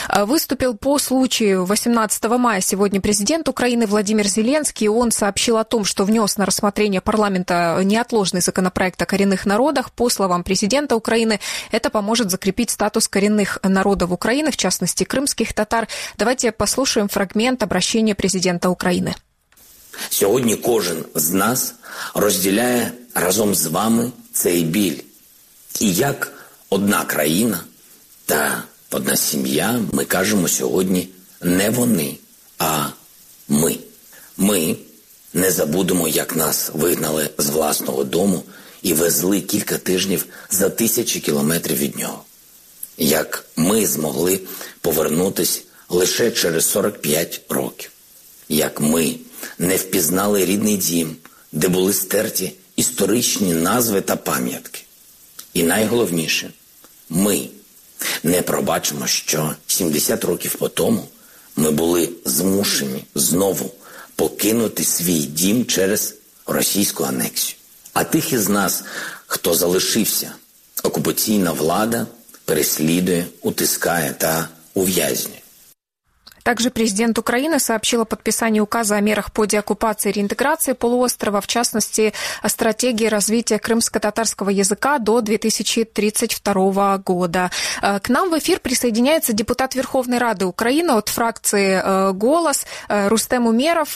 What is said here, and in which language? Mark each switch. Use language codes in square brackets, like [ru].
[ru] Выступил по случаю 18 мая сегодня президент Украины Владимир Зеленский. Он сообщил о том, что внес на рассмотрение парламента неотложный законопроект о коренных народах. По словам президента Украины, это поможет закрепить статус коренных народов Украины, в частности, крымских татар. Давайте послушаем фрагмент обращения президента Украины. [uk] Сьогодні кожен з нас розділяє разом з вами цей біль. І як одна країна та одна сім'я, ми кажемо сьогодні не вони, а ми. Ми не забудемо, як нас вигнали з власного дому і везли кілька тижнів за тисячі кілометрів від нього. Як ми змогли повернутись лише через 45 років. Як ми не впізнали рідний дім, де були стерті історичні назви та пам'ятки. І найголовніше, ми не пробачимо, що 70 років потому ми були змушені знову покинути свій дім через російську анексію. А тих із нас, хто залишився, окупаційна влада переслідує, утискає та ув'язнює. [ru] Также президент Украины сообщил о подписании указа о мерах по деоккупации и реинтеграции полуострова, в частности, о стратегии развития крымско-татарского языка до 2032 года. К нам в эфир присоединяется депутат Верховной Рады Украины от фракции «Голос» Рустем Умеров.